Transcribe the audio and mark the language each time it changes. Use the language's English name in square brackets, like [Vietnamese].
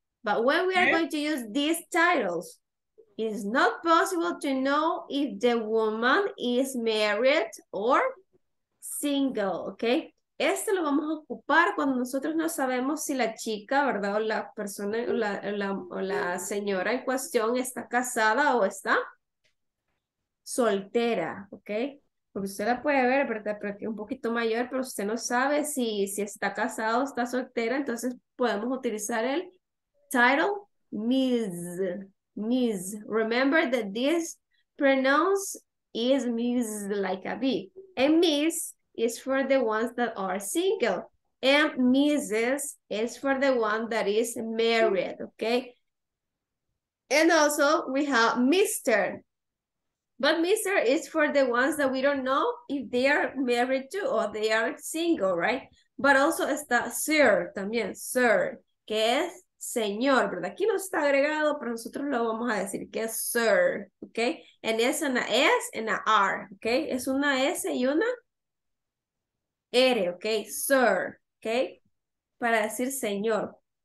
[English] But when we are going to use these titles, it is not possible to know if the woman is married or single, okay? [Spanish] Este lo vamos a ocupar cuando nosotros no sabemos si la chica, ¿verdad? O la persona, o la señora en cuestión está casada o está soltera, okay? Porque usted la puede ver, ¿verdad? Pero es un poquito mayor, pero usted no sabe si está casada o está soltera, entonces podemos utilizar el title, Ms. Miss. [English] Remember that this pronouns is Miss like a B. And Miss is for the ones that are single. And Mrs. is for the one that is married, okay? And also we have Mr. But Mr. is for the ones that we don't know if they are married to or they are single, right? But also [Spanish] está Sir, también, Sir, que es señor, ¿verdad? Aquí no está agregado, pero nosotros lo vamos a decir que es Sir, ¿ok? And es una S and an R, ¿ok? Es una S y una R, ¿ok? Sir, ¿ok? Para decir señor.